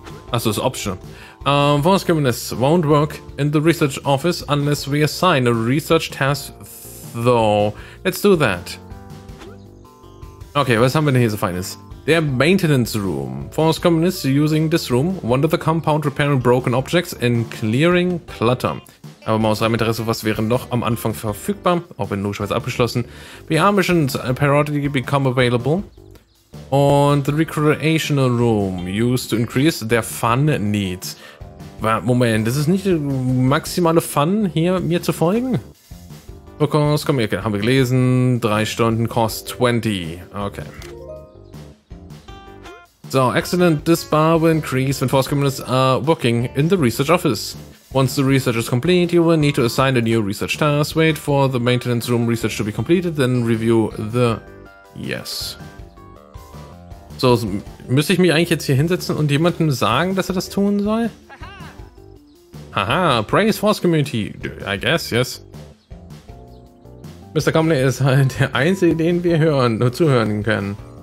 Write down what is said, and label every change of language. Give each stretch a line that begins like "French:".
German: Achso, ist optional.
English: Force Communists won't work in the research office unless we assign a research task though. Let's do that.
German: Okay, was haben wir denn hier so Feines?
English: Their maintenance room. Force Communists using this room wander the compound repairing broken objects and clearing clutter.
German: Aber mal aus reinem Interesse, was wäre noch am Anfang verfügbar, auch wenn logischerweise abgeschlossen.
English: PR Missions periodically become available. Und the recreational room used to increase their fun needs.
German: Moment, das ist nicht maximale Fun, hier mir zu folgen? Because, komm hier, okay, haben wir gelesen. 3 Stunden cost 20. Okay.
English: So, excellent. This bar will increase when Force Communists are working in the research office. Once the research is complete, you will need to assign a new research task. Wait for the maintenance room research to be completed, then review the... Yes.
German: So, müsste ich mich eigentlich jetzt hier hinsetzen und jemandem sagen, dass er das tun soll?
English: Haha, praise force community, I guess, yes. Mr.
German: Comley ist halt der Einzige, den wir hören, nur zuhören können.